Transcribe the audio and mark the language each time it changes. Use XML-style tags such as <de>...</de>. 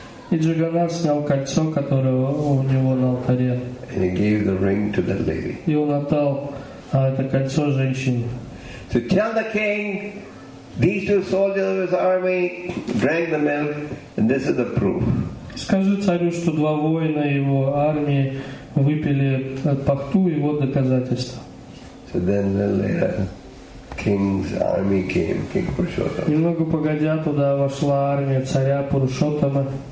<ru>И Джаганнат снял кольцо, которое у него на алтаре.</ru> <en>And he gave the ring to the lady.</en> <ru>И он отдал это кольцо женщине.</ru> <en>To tell the king, these two soldiers of his army drank the milk, and this is the proof.</en> <ru>Скажи царю, что два воина его армии выпили пахту, и вот доказательство.</ru> <en>So then later, king's army came, King Purushottama.</en> <ru>Немного погодя туда вошла армия царя Пурушоттама.</ru>